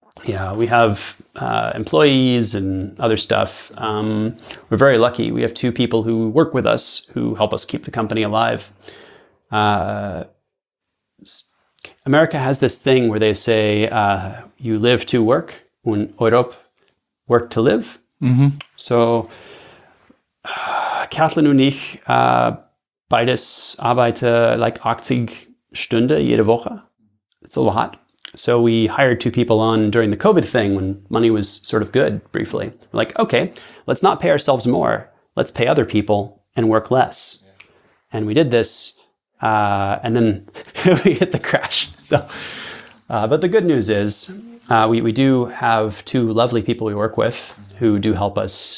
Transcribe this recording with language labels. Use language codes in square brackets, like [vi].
[en] Yeah, we have employees and other stuff. We're very lucky. We have two people who work with us who help us keep the company alive. America has this thing where they say you live to work, und Europe work to live. Mm-hmm. [de] So, Kathleen und ich beides arbeiten like 80 Stunden jede Woche. [en] It's a lot. So we hired two people on during the COVID thing when money was sort of good briefly. We're like, okay, let's not pay ourselves more. Let's pay other people and work less. Yeah. And we did this and then we hit the crash. So, but the good news is we do have two lovely people we work with who do help us.